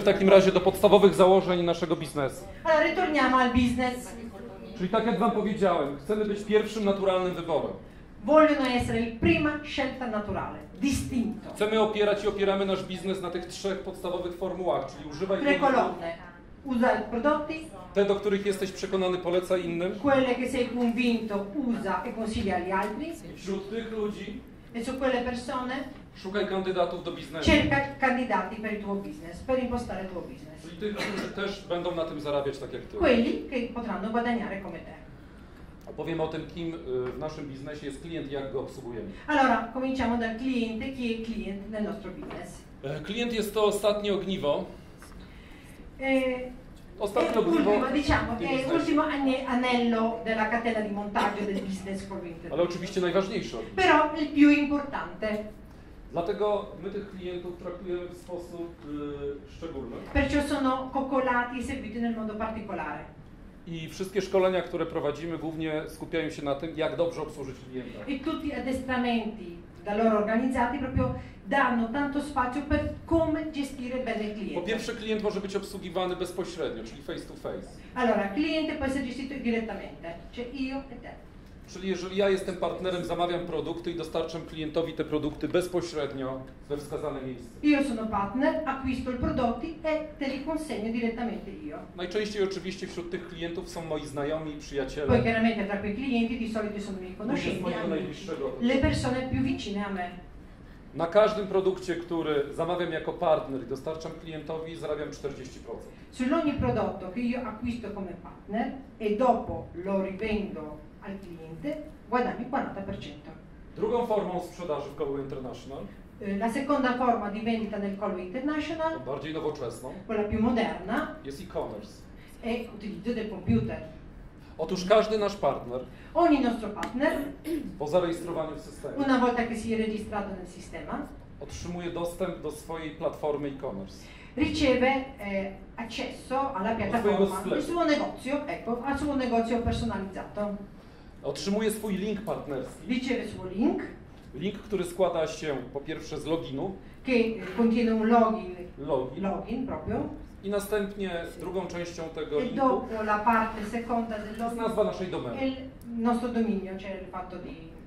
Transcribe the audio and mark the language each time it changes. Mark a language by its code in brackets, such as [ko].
[pl] w takim razie do podstawowych założeń naszego biznesu. [it] Ritorniamo al business. [pl] Czyli tak jak wam powiedziałem, chcemy być pierwszym naturalnym wyborem. [it] Vogliono essere il prima scelta naturale, distinto. [pl] Chcemy opierać i opieramy nasz biznes na tych trzech podstawowych formułach, czyli używaj... [it] Tre colonne. Usa i prodotti. [pl] Te, do których jesteś przekonany, poleca innym. [it] Quelle che sei convinto, usa e consiglia agli altri. [pl] Wśród tych ludzi. [it] E su quelle persone? [pl] Szukaj kandydatów do biznesu. [it] Cerca candidati per il tuo business, per impostare il tuo business. [pl] I tych, którzy też będą na tym zarabiać tak jak ty. [it] Quelli che potranno guadagnare come te. [pl] Opowiem o tym, kim w naszym biznesie jest klient i jak go obsługujemy. [it] Allora, cominciamo dal cliente, chi è client nel nostro business. [pl] Klient jest to ostatnie ogniwo. Ostatnio ogniwo, [it] diciamo, è l'ultimo anello della catena di montaggio del business for winter. [pl] Ale oczywiście najważniejsze. [it] Però il più importante. [pl] Dlatego my tych klientów traktujemy w sposób szczególny. [it] Perciò sono coccolati e serviti nel modo particolare. [pl] I wszystkie szkolenia, które prowadzimy, głównie skupiają się na tym, jak dobrze obsłużyć klienta. [it] I tutti addestramenti da loro organizzati proprio danno tanto spazio per come gestire bene il cliente. [pl] Po pierwsze, klient może być obsługiwany bezpośrednio, czyli face to face. [it] Allora, cliente può essere gestito direttamente, cioè io e te. [pl] Czyli jeżeli ja jestem partnerem, zamawiam produkty i dostarczam klientowi te produkty bezpośrednio we wskazane miejsce. [it] Io sono partner, acquisto i prodotti e te li consegno direttamente io. [pl] Najczęściej oczywiście wśród tych klientów są moi znajomi, przyjaciele. [it] Poi chiaramente tra quei clienti di solito sono i miei conoscenti, le persone più vicine a me. [pl] Na każdym produkcie, który zamawiam jako partner i dostarczam klientowi, zarabiam 40%. [it] Su ogni prodotto che io acquisto come partner e dopo lo rivendo al cliente, guadagni 40%. [pl] Drugą formą sprzedaży w Colway International. [it] La seconda forma di vendita nel Colway International. [pl] Bardziej nowoczesną. [it] Quella più moderna. [pl] Jest e-commerce. [it] E utilizzo del computer. [pl] Otóż każdy nasz partner. [it] Ogni nostro partner. [pl] Po zarejestrowaniu w systemie. [it] Una volta che si è registrato nel sistema. [pl] Otrzymuje dostęp do swojej platformy e-commerce. [it] Riceve accesso alla piattaforma, al suo negozio, ecco, al suo negozio personalizzato. [pl] Otrzymuje swój link partnerski. [it] Riceve suo link. [pl] Link, który składa się po pierwsze z loginu. [it] Che contiene un login. [pl] Login. [it] Login proprio. [pl] I następnie drugą częścią tego linku. [it] E dopo la parte seconda del login. [pl] Nazwa naszej domeny. [it] Il nostro dominio, cioè il fatto di.